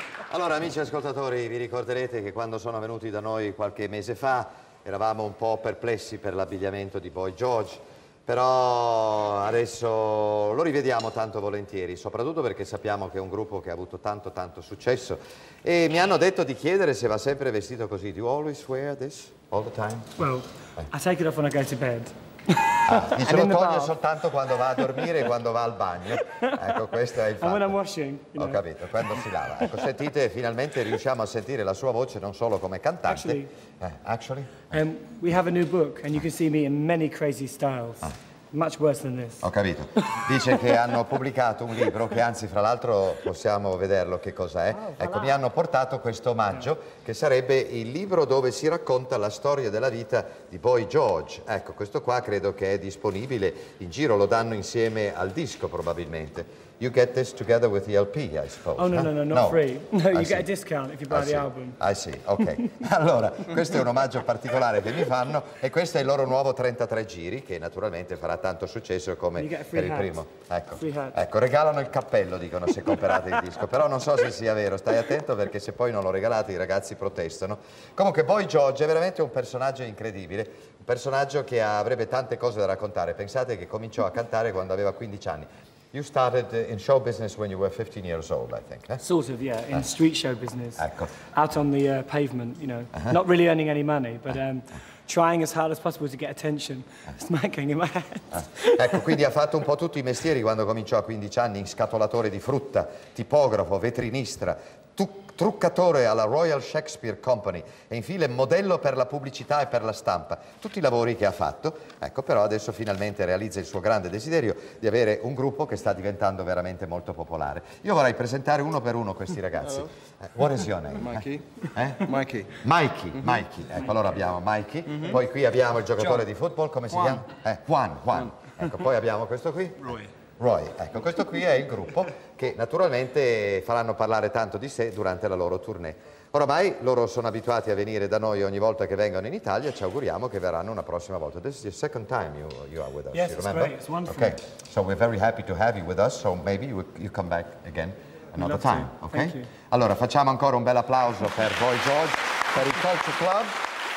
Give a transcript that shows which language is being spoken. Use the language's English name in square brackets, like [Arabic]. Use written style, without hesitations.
[Italian] Allora amici ascoltatori, vi ricorderete che quando sono venuti da noi qualche mese fa eravamo un po' perplessi per l'abbigliamento di Boy George, Però adesso lo rivediamo tanto volentieri, soprattutto perché sappiamo che è un gruppo che ha avuto tanto tanto successo. E mi hanno detto di chiedere se va sempre vestito così. [English] Do you always wear this all the time? Well, I take it off when I go to bed. [Italian] Ah, se lo toglie soltanto quando va a dormire e quando va al bagno. Ecco, questo è il fatto. [English] When I'm washing, you know. [Italian] Ho capito, quando si lava. Ecco, sentite, finalmente riusciamo a sentire la sua voce non solo come cantante. [English] Actually. We have a new book and you can see me in many crazy styles. Much worse than this. [Italian] Ho capito. Dice che hanno pubblicato un libro che, anzi, fra l'altro possiamo vederlo che cos'è. Ecco, mi hanno portato questo omaggio che sarebbe il libro dove si racconta la storia della vita di Boy George. Ecco, questo qua credo che è disponibile in giro, lo danno insieme al disco probabilmente. [English] You get this together with the LP, I suppose. Oh, no, huh? No, free. No, you get a discount if you buy the album. I see, ok. [Italian] Allora, questo è un omaggio particolare che mi fanno e questo è il loro nuovo 33 giri, che naturalmente farà tanto successo come per il primo. Ecco. Ecco, regalano il cappello, dicono, se comprate il disco. Però non so se sia vero, stai attento perché se poi non lo regalate i ragazzi protestano. Comunque, Boy George è veramente un personaggio incredibile. Un personaggio che avrebbe tante cose da raccontare. Pensate che cominciò a cantare quando aveva 15 anni. [English] You started in show business when you were 15 years old, I think. Eh? Sort of, yeah, in street show business. [Italian] Ecco. [English] Out on the pavement, you know, not really earning any money, but trying as hard as possible to get attention, smacking in my head. [Italian] Ecco, quindi ha fatto un po' tutti i mestieri quando cominciò a 15 anni, in scatolatore di frutta, tipografo, vetrinista, truccatore alla Royal Shakespeare Company e infine modello per la pubblicità e per la stampa. Tutti i lavori che ha fatto, ecco, però adesso finalmente realizza il suo grande desiderio di avere un gruppo che sta diventando veramente molto popolare. Io vorrei presentare uno per uno questi ragazzi. [English] What is your name? Mikey. Mm-hmm. Mikey. [Italian] Ecco, allora abbiamo Mikey. Mm-hmm. Poi qui abbiamo il giocatore di football, come si chiama? Juan. Ecco, poi abbiamo questo qui. Roy, ecco, questo qui è il gruppo che naturalmente faranno parlare tanto di sé durante la loro tournée. Oramai loro sono abituati a venire da noi ogni volta che vengono in Italia, ci auguriamo che verranno una prossima volta. [English] This is the second time you are with us, yes, you remember? Yes, it's great, it's wonderful. Okay, so we're very happy to have you with us, so maybe you come back again another time, okay? Thank you. [Italian] Allora, facciamo ancora un bel applauso per Boy George, per il Culture Club.